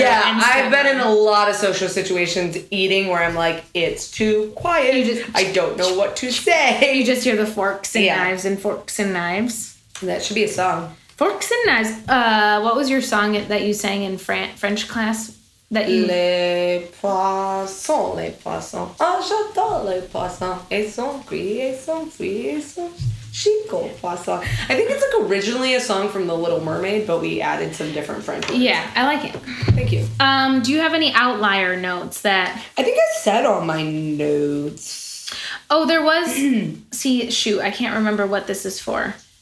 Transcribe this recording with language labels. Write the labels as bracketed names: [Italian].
[English] Yeah, I've been in a lot of social situations eating where I'm like, it's too quiet. I don't know what to say. You just hear the forks and knives and forks and knives. That should be a song. Forks and knives. What was your song that you sang in French class? That you... [French] Les poissons, j'adore les poissons. Ils sont gris, ils sont fris, ils sont chicot poissons. [English] I think it's like originally a song from The Little Mermaid, but we added some different French words. Yeah, I like it. Thank you. Do you have any outlier notes that... I think I said all my notes. Oh, there was... I can't remember what this is for.